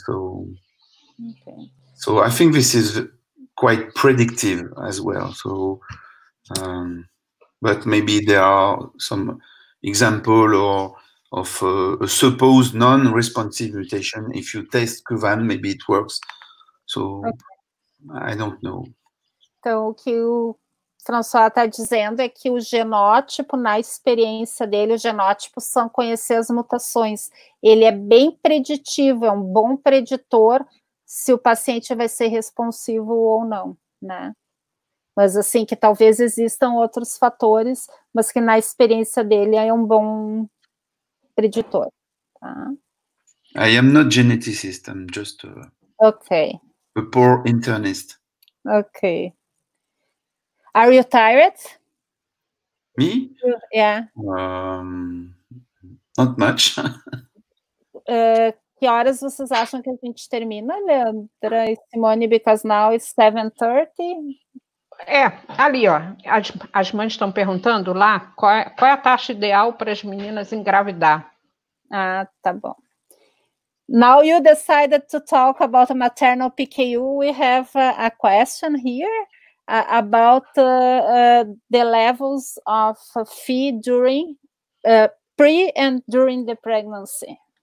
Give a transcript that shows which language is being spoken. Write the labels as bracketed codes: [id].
[en] So, okay. So I think this is quite predictive as well. So, but maybe there are some example of a supposed non-responsive mutation. If you test Kuvan, maybe it works. So, okay. I don't know. [pt] Então, o que o François está dizendo é que o genótipo, na experiência dele, o genótipo são conhecer as mutações. Ele é bem preditivo, é um bom preditor se o paciente vai ser responsivo ou não, né? Mas, assim, que talvez existam outros fatores, mas que na experiência dele é um bom preditor, tá? [en] I am not geneticist, I'm just a poor internist. Okay. Are you tired? Me? Yeah. Not much. [pt] Que horas vocês acham que a gente termina, Leandra e Simone, [en] because now it's 7:30? [pt] É, ali, ó, as mães estão perguntando lá qual é a taxa ideal para as meninas engravidar. Ah, tá bom. [en] Now you decided to talk about a maternal PKU, we have a question here about the levels of Phe during, pre and during the pregnancy.